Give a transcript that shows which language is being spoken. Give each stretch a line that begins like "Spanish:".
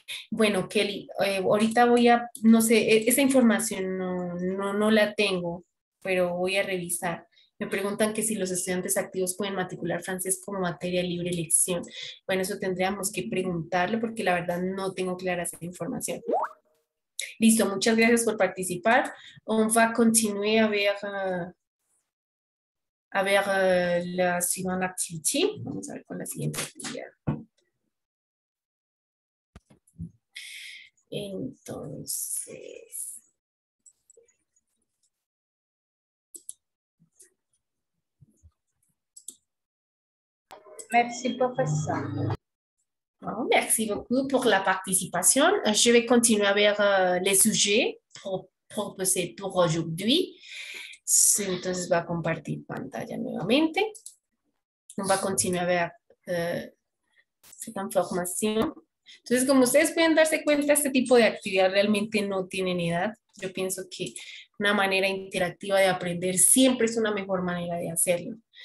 Spanish: Bueno, Kelly, ahorita voy a, no sé, esa información no la tengo, pero voy a revisar. Me preguntan que si los estudiantes activos pueden matricular francés como materia libre elección. Bueno, eso tendríamos que preguntarle porque la verdad no tengo clara esa información. Listo, muchas gracias por participar.
French: On va continuer avec la semaine activity.
Spanish: Vamos a ver con la siguiente actividad. Entonces.
French: Merci,
Spanish: profesor.
French: Bon, merci beaucoup pour la participation. Je vais continuer avec les sujets proposés pour aujourd'hui.
Spanish: Entonces, va a compartir pantalla nuevamente.
French: On va continuer avec cette information.
Spanish: Entonces, como ustedes pueden darse cuenta, este tipo de actividad realmente no tienen edad. Yo pienso que una manera interactiva de aprender siempre es una mejor manera de hacerlo.